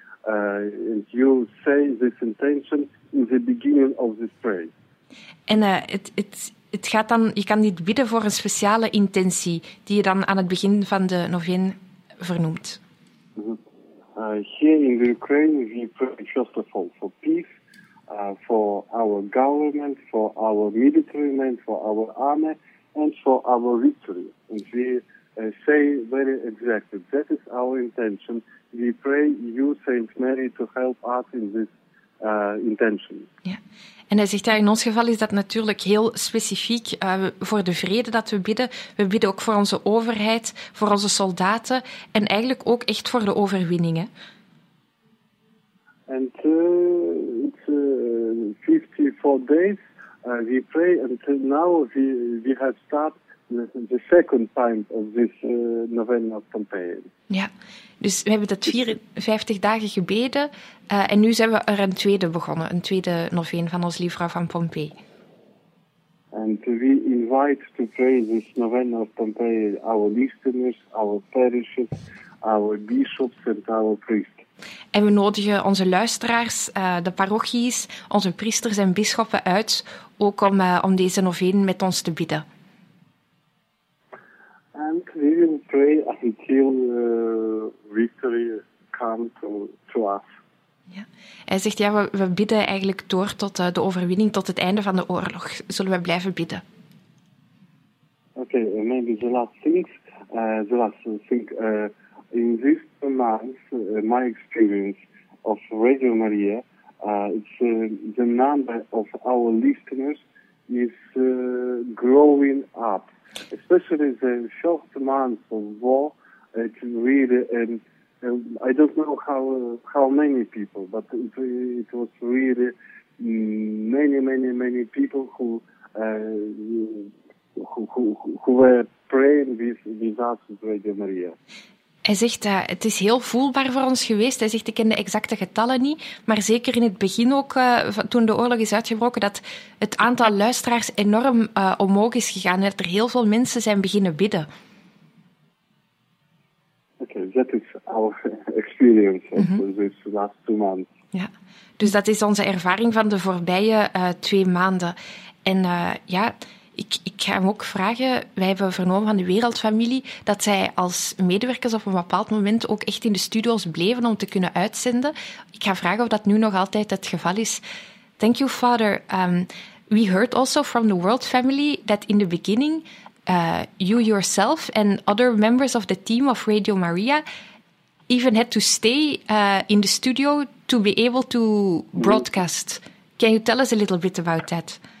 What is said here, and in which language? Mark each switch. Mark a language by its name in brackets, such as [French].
[English] And you say this intention in the beginning of this prayer. [Dutch] En het Het gaat dan, je kan dit bidden voor een speciale intentie die je dan aan het begin van de novene vernoemt. [English] Here in the Ukraine we pray first of all for peace, for our government, for our military men, for our army and for our victory. And we say very exactly, that is our intention. We pray you, Saint Mary, to help us in this intention. [Dutch] Ja. En hij zegt, ja, in ons geval is dat natuurlijk heel specifiek voor de vrede dat we bidden. We bidden ook voor onze overheid, voor onze soldaten en eigenlijk ook echt voor de overwinningen. [English] En it's 54 days we pray until now we have started the second time of this novena campaign. [Dutch] Ja, dus we hebben dat 54 dagen gebeden en nu zijn we er een tweede begonnen, een tweede novena van Onze Lieve Vrouw van Pompeii. [English] And we invite to pray this novena of Pompeii our listeners, our parishes, our bishops and our priests. [Dutch] En we nodigen onze luisteraars, de parochies, onze priesters en bisschoppen uit, ook om deze novena met ons te bidden. [English] And we will pray until victory comes to us. [Dutch] Ja. Hij zegt, ja, we bidden eigenlijk door tot de overwinning, tot het einde van de oorlog. Zullen we blijven bidden? [English] Okay, maybe the last thing, in this month, my experience of Radio Maria, it's the number of our listeners is growing up. Especially the short months of war, it's really, I don't know how many people, but it was really many people who were praying with us with Radio Maria. [Dutch] Hij zegt, het is heel voelbaar voor ons geweest. Hij zegt, ik ken de exacte getallen niet, maar zeker in het begin ook, toen de oorlog is uitgebroken, dat het aantal luisteraars enorm omhoog is gegaan en dat er heel veel mensen zijn beginnen bidden. [English] Okay, that is our experience of this last 2 months. [Dutch] Ja, dus dat is onze ervaring van de voorbije 2 maanden. En ja... Ik ga hem ook vragen, wij hebben vernomen van de Wereldfamilie dat zij als medewerkers op een bepaald moment ook echt in de studio's bleven om te kunnen uitzenden. Ik ga vragen of dat nu nog altijd het geval is. [English] Thank you, Father. We heard also from the World Family that in the beginning, you yourself and other members of the team of Radio Maria even had to stay in the studio to be able to broadcast. Can you tell us a little bit about that?